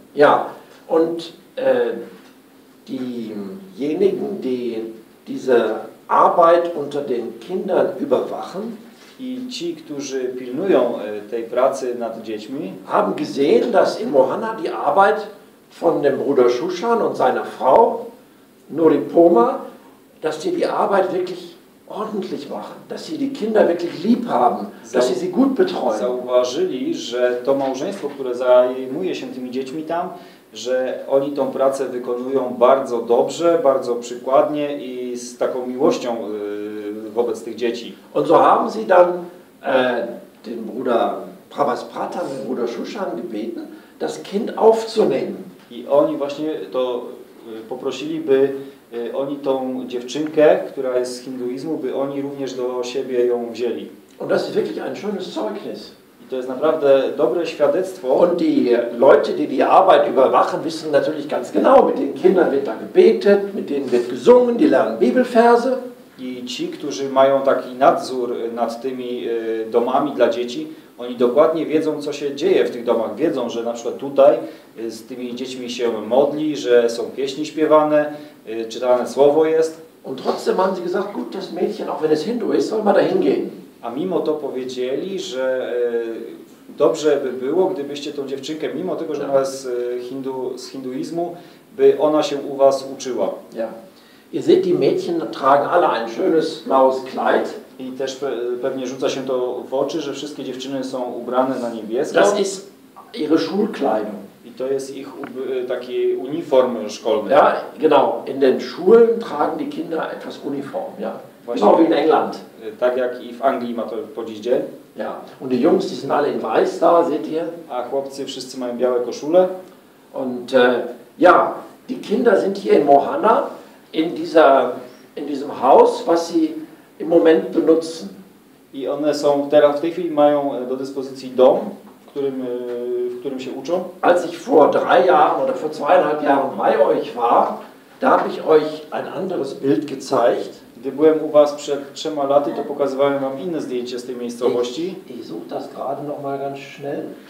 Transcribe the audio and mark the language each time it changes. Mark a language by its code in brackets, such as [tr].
[de] Ja, und diejenigen, die diese Arbeit unter den Kindern überwachen, [pl] i ci, którzy pilnują tej pracy nad dziećmi, [de] haben gesehen, dass in Mohana die Arbeit von dem Bruder Shushan und seiner Frau Noripoma, dass sie die Arbeit wirklich ordentlich machen, dass sie die Kinder wirklich lieb haben, dass sie sie gut betreuen. [pl] Zauważyli, że to małżeństwo, które zajmuje się tymi dziećmi tam, że oni tą pracę wykonują bardzo dobrze, bardzo przykładnie i z taką miłością wobec tych dzieci. [de] Und so haben sie dann den Bruder Prabhasprata, den Bruder Shushan gebeten, das Kind aufzunehmen. [pl] I oni właśnie to poprosili, by oni tą dziewczynkę, która jest z hinduizmu, by oni również do siebie ją wzięli. [de] Und das ist wirklich ein schönes Zeugnis. [pl] I to jest naprawdę dobre świadectwo. [de] Und die Leute, die die Arbeit überwachen, wissen natürlich ganz genau, mit den Kindern wird da gebetet, mit denen wird gesungen, die lernen Bibelverse. [pl] I ci, którzy mają taki nadzór nad tymi domami dla dzieci, oni dokładnie wiedzą, co się dzieje w tych domach. Wiedzą, że na przykład tutaj z tymi dziećmi się modli, że są pieśni śpiewane, czytane słowo jest. [de] Und trotzdem haben sie gesagt, gut, das Mädchen, auch wenn es Hindu ist, soll man dahin gehen. [pl] A mimo to powiedzieli, że dobrze by było, gdybyście tą dziewczynkę, mimo tego, że ona jest z hinduizmu, by ona się u was uczyła. [de] Ja. Ihr seht, die Mädchen tragen alle ein schönes blaues Kleid. [pl] I też pewnie rzuca się to w oczy, że wszystkie dziewczyny są ubrane na niebiesko. [de] Das ist ihre Schulkleidung. [pl] I to jest ich taki uniform szkolny. [de] Ja, genau. In den Schulen tragen die Kinder etwas uniform, ja. Właśnie, genau wie in England. [pl] Tak jak i w Anglii ma to po dziś dzień. [de] Ja. Und die Jungs, die sind alle in weiß da, seht ihr? [pl] A chłopcy wszyscy mają białe koszule. [de] Und ja, die Kinder sind hier in Mohana, in diesem Haus, was sie im Moment benutzen. [pl] I one są teraz, w tej chwili mają do dyspozycji dom, w którym się uczą. [de] Als ich vor drei Jahren oder vor zweieinhalb Jahren bei euch war, da habe ich euch ein anderes Bild gezeigt. [pl] Gdy byłem u was przed 3 laty, to pokazywałem wam inne zdjęcie z tej miejscowości. [de] Ich suche das gerade noch mal ganz schnell.